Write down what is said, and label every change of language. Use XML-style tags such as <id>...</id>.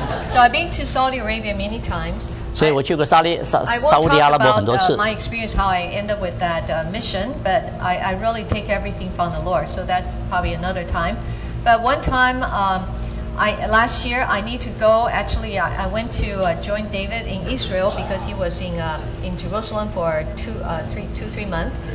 <en>So I've been to Saudi Arabia many times.</en> <zh>所以我去过沙特阿拉伯很多次。</zh> <en>My experience how I end up with that mission, but I really take everything from the Lord. So that's probably another time. But one time, last year I need to go. Actually, I went to join David in Israel because he was in Jerusalem for two, three months.</en>